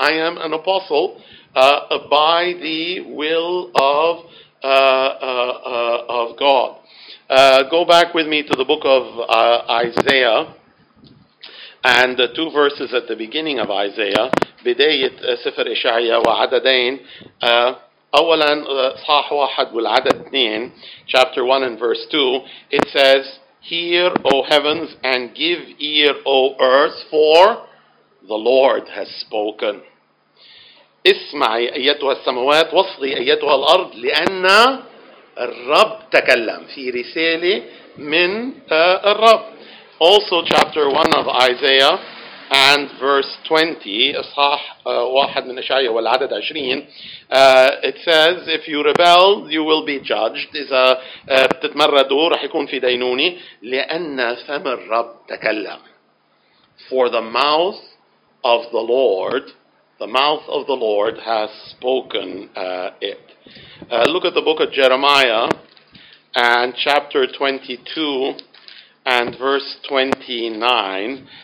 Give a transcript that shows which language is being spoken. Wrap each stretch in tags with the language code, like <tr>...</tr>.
<en>I am an apostle by the will of God. Go back with me to the book of Isaiah and the two verses at the beginning of Isaiah.</en> <ar>بداية سفر إشعياء وعددين. أولا صحاح واحد والعدد اثنين.</ar> <en>Chapter 1 and verse 2. It says, "Hear, O heavens, and give ear, O earth, for the Lord has spoken."</en> <ar>اسمعي أيتها السماوات واصغي أيتها الأرض لأن الرب تكلم. في رسالة من الرب.</ar> <en>Also chapter 1 of Isaiah and verse 20,</en> <ar>إصحاح واحد من إشعياء والعدد 20.</ar> <en>It says, "If you rebel, you will be judged."</en> <ar>إذا بتتمردوا رح يكون في دينوني لأن فم الرب تكلم.</ar> <en>For the mouth of the Lord, the mouth of the Lord has spoken it. Look at the book of Jeremiah and chapter 22 and verse 29.</en>